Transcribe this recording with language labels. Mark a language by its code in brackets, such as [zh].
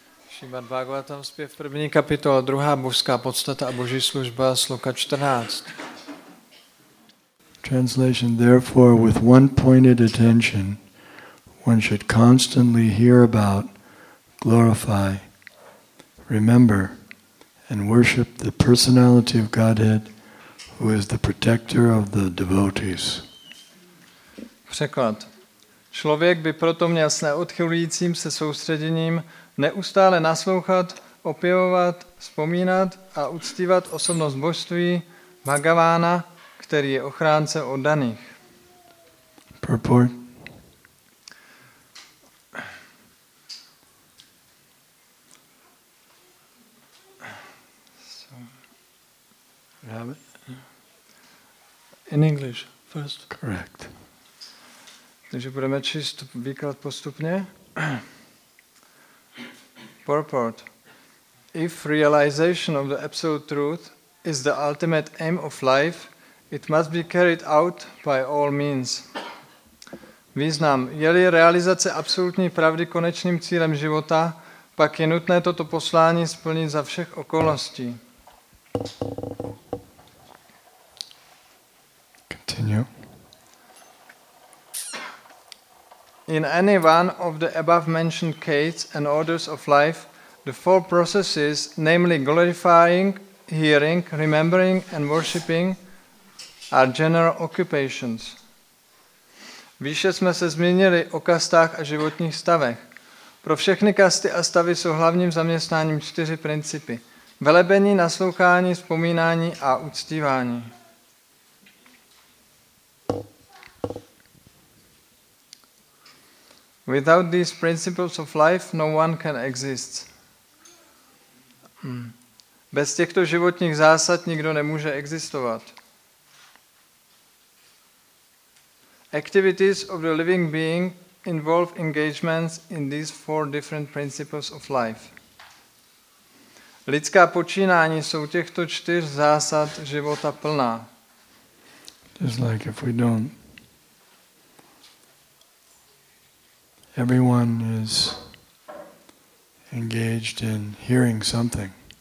[cs] Srimad Bhagavatam, zpěv první kapitola, druhá božská podstata a boží služba, sloka 14. [en] Translation, therefore, with one-pointed attention, one should constantly hear about, glorify, remember, and worship the personality of Godhead, who is the protector of the devotees. [cs] Překlad. Člověk by proto měl s neodchylujícím se soustředěním neustále naslouchat, opěvovat, vzpomínat a uctívat osobnost božství Bhagavána, který je ochránce oddaných. [en] Purport. In English first. Correct. [cs] Takže budeme číst výklad postupně. [en] Purport. If realization of the absolute truth is the ultimate aim of life, it must be carried out by all means. [cs] Význam. Je-li realizace absolutní pravdy konečným cílem života, pak je nutné toto poslání splnit za všech okolností. [en] In any one of the above mentioned cases and orders of life, the four processes, namely glorifying, hearing, remembering, and worshipping, are general occupations. [cs] Výše jsme se zmínili o kastách a životních stavech. Pro všechny kasty a stavy jsou hlavním zaměstnáním čtyři principy. Velebení, naslouchání, vzpomínání a uctívání. [en] Without these principles of life, no one can exist. [cs] Bez těchto životních zásad nikdo nemůže existovat. [en] Activities of the living being involve engagements in these four different principles of life. [cs] Lidská počínání jsou těchto čtyř zásad života plná. [en] Just like if we don't. Everyone is engaged in hearing something.